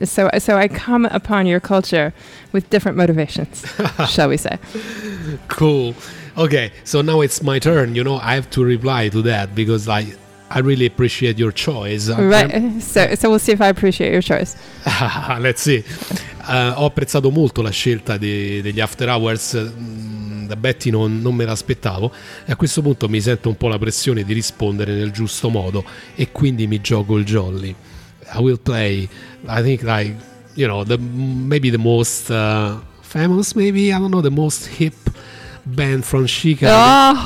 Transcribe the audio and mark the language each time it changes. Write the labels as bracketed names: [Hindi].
[English] So I come upon your culture with different motivations, shall we say. Cool. Okay, so now it's my turn. You know, I have to reply to that, because like, I really appreciate your choice. Right, so we'll see if I appreciate your choice. Let's see. [Italian] Ho apprezzato molto la scelta degli After Hours. Da Betty non me l'aspettavo, e a questo punto mi sento un po' la pressione di rispondere nel giusto modo, e quindi mi gioco il jolly. [English] I will play, I think, like, you know, the most hip band from Chicago.